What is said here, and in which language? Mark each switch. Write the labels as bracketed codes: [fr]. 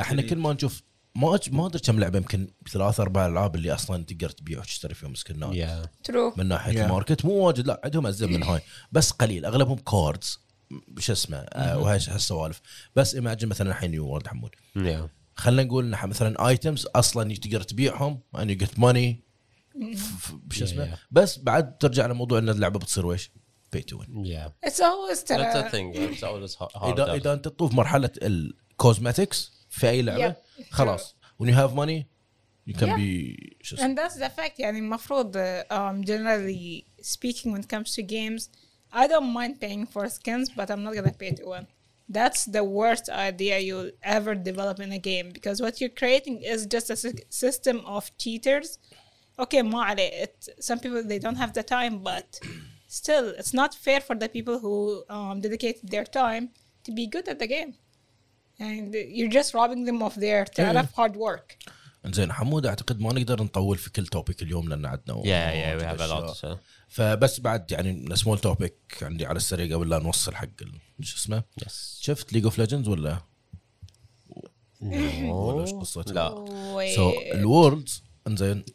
[ar] إحنا كل ما نشوف ما أدري كم لعبة يمكن ثلاث أربع ألعاب اللي أصلاً تقدر تبيع وتشتري فيهم سكنات من ناحية ماركت مو واجد لا عندهم أزيد من هاي بس قليل أغلبهم كاردز بش اسمه وهاش هالسوالف بس إماجن مثلاً الحين نيو وورلد حمود خلنا نقول نحن مثلاً آيتمز أصلاً تقدر تبيعهم [en] and you get money [ar] بش اسمه بس بعد ترجع لموضوع أن اللعبة بتصير ويش [en] pay to win it's always hard [ar] إذا أنت تطوف مرحلة الكوزماتيكس في أي لعبة خلاص [en] when you have money you can be and that's the fact [ar] يعني المفروض [en] generally speaking when it comes to games I don't mind paying for skins but I'm not gonna pay to win that's the worst idea you'll ever develop in a game because what you're creating is just a system of cheaters okay [ar] ما عليه [en] some people they don't have the time but still it's not fair for the people who dedicated their time to be good at the game and you're just robbing them of their tireless hard work. [ar] إنزين حمود أعتقد ما نقدر نطول في كل توبيك اليوم لأن عدنا. [en] Yeah we have a lot. [ar] فبس بعد يعني [en] small topic [ar] عندي على السريع قبل لا نوصل حق شو اسمه؟ [en] Yes. [ar] شفت League of Legends ولا؟ لا. [en] So the worlds [ar] إنزين.